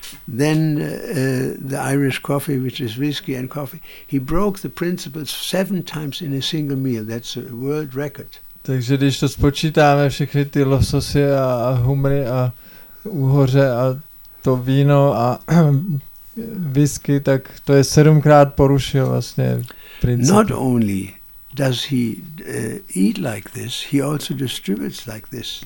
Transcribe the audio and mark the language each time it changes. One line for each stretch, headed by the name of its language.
English: Then the Irish coffee, which is whiskey and coffee. He broke the principles 7 times in a single meal. That's a world record.
Czech: Takže když to spočítáme, všechny ty lososy a humry a uhoře a to víno a whisky, tak to je 7x porušil vlastně. Princip.
English: Not only does he eat like this, he also distributes like this.